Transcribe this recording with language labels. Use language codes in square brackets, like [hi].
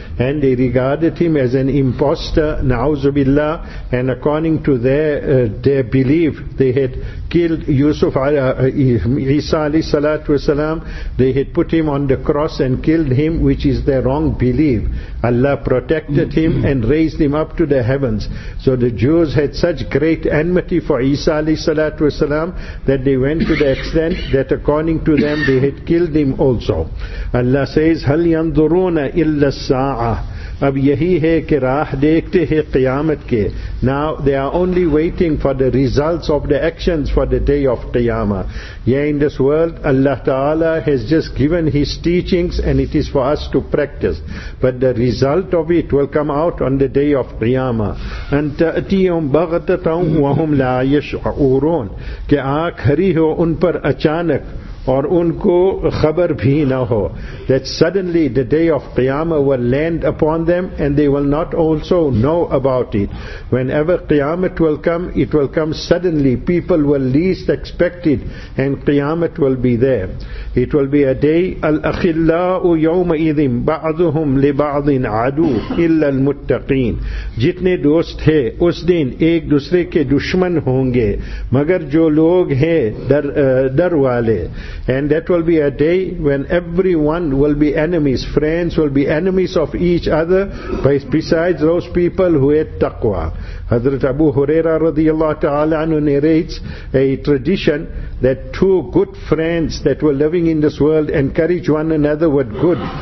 [en] And they regarded him as an imposter, na'uzu billah, and according to their belief, they had killed Yusuf, Isa alayhi salatu wasalam, they had put him on the cross and killed him, which is their wrong belief. Allah protected him and raised him up to the heavens. So the Jews had such great enmity for Isa alayhi salatu wasalam that they went to the extent that according to them they had killed him also. Allah says, [ar] هَلْ يَنظُرُونَ إِلَّا السَّاعَةَ. [ur] اب یہی ہے کہ راہ دیکھتے ہیں قیامت کے. [en] Now they are only waiting for the results of the actions for the day of Qiyamah. Yeah, in this world Allah Ta'ala has just given his teachings and it is for us to practice. But the result of it will come out on the day of Qiyamah. [ar] أَن تَأْتِيَهُمْ بَغْتَةً وَهُمْ لَا يَشْعُرُونَ. [ur] کہ آنکھ ہری ہو ان پر اچانک اور ان کو خبر بھی نہ ہو. [en] That suddenly the day of Qiyamah will land upon them and they will not also know about it. Whenever Qiyamah will come, it will come suddenly. People will least expect it and Qiyamah will be there. It will be a day, [ar] الْأَخِلَّاءُ يَوْمَئِذٍ بَعْضُهُمْ لِبَعْضٍ عَدُوٌ إِلَّا الْمُتَّقِينَ. [ur] جتنے دوست ہیں اس دن ایک دوسرے کے دشمن ہوں گے مگر جو لوگ ہیں در والے. [en] And that will be a day when everyone will be enemies, friends will be enemies of each other, besides those people who had taqwa. Hazrat Abu Huraira radiallahu ta'ala anhu narrates a tradition that two good friends that were living in this world encourage one another with good.